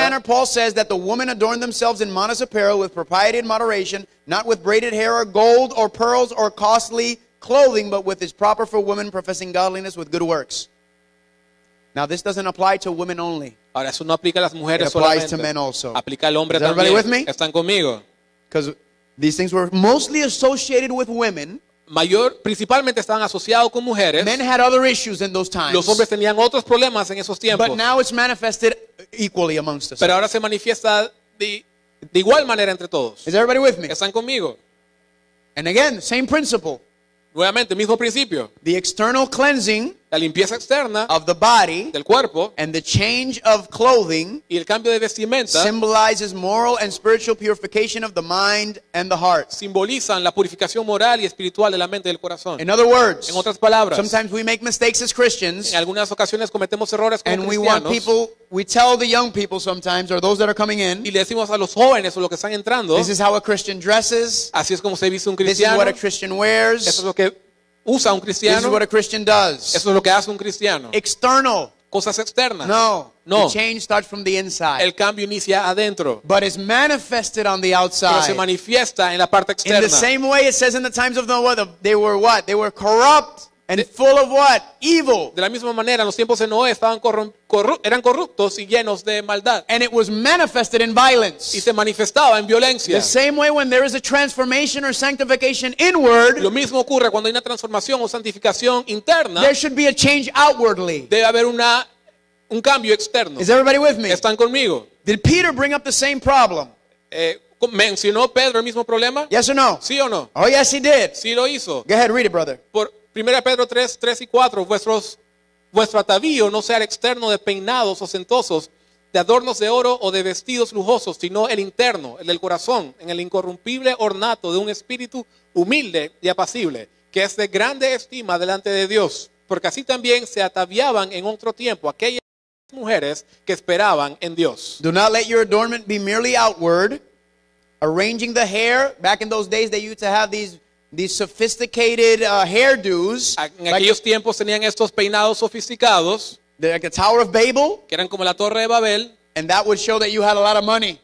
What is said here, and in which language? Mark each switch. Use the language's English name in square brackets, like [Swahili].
[English] Manner, Paul says that the women adorn themselves in modest apparel with propriety and moderation, not with braided hair or gold or pearls or costly clothing, but with is proper for women professing godliness with good works. Now this doesn't apply to women only. [Spanish] Ahora, eso no aplica a las mujeres. [English] It applies [Spanish] solamente [English] to men also. [Spanish] Aplica al hombre. [English] Is everybody [Spanish] también [English] with me? [Spanish] Están conmigo. [English] Because these things were mostly associated with women. [Spanish] Mayor, principalmente estaban asociados con mujeres. [English] Men had other issues in those times. [Spanish] Los hombres tenían otros problemas en esos tiempos. [English] But now it's manifested equally amongst us. [Spanish] Pero ahora se manifiesta de igual manera entre todos. [English] Is everybody with me? [Spanish] Están conmigo. [English] And again, same principle. [Spanish] Nuevamente, mismo principio. [English] The external cleansing, [Spanish] la limpieza externa, [English] of the body, [Spanish] del cuerpo, [English] and the change of clothing, [Spanish] y el cambio de vestimenta, [English] symbolizes moral and spiritual purification of the mind and the heart. [Spanish] Simbolizan la purificación moral y espiritual de la mente y del corazón. [English] In other words, [Spanish] en otras palabras, [English] sometimes we make mistakes as Christians, [Spanish] en algunas ocasiones cometemos errores como [English] and [Spanish] cristianos, [English] we want people, we tell the young people sometimes, or those that are coming in, [Spanish] y le decimos a los jóvenes o los que están entrando, [English] this is how a Christian dresses, [Spanish] así es como se viste un cristiano, [English] this is what a Christian wears, [Spanish] eso es lo que usa un cristiano. [English] This is what a Christian does. [Spanish] Eso es lo que hace un cristiano. [English] External. [Spanish] Cosas externas. [English] No. [Spanish] No. [English] The change starts from the inside. [Spanish] El cambio inicia adentro. [English] But it's manifested on the outside. [Spanish] Pero se manifiesta en la parte externa. [English] In the same way it says in the times of Noah, they were what? They were corrupt and full of what? Evil. [Spanish] De la misma manera, en los tiempos de Noé estaban eran corruptos y llenos de maldad. [English] And it was manifested in violence. [Spanish] Y se manifestaba en violencia. [English] The same way when there is a transformation or sanctification inward. [Spanish] Lo mismo ocurre cuando hay una transformación o santificación interna. [English] There should be a change outwardly. [Spanish] Debe haber un cambio externo. [English] Is everybody with me? [Spanish] ¿Están conmigo? [English] Did Peter bring up the same problem? [Spanish] ¿Mencionó Pedro el mismo problema? [English] Yes or no? [Spanish] ¿Sí o no? [English] Oh yes, he did. [Spanish] Sí lo hizo. [English] Go ahead, read it, brother. [Spanish] Primera Pedro 3, 3 y 4, vuestro atavío no sea el externo de peinados ostentosos, de adornos de oro o de vestidos lujosos, sino el interno, el del corazón, en el incorrumpible ornato de un espíritu humilde y apacible, que es de grande estima delante de Dios, porque así también se ataviaban en otro tiempo aquellas mujeres que esperaban en Dios. [English] Do not let your adornment be merely outward, arranging the hair. Back in those days they used to have these sophisticated hairdos. [Spanish] En aquellos tiempos tenían estos peinados sofisticados. [English] They're like the Tower of Babel. [Spanish] Que eran como la Torre de Babel. [English] And that would show that you had a lot of money.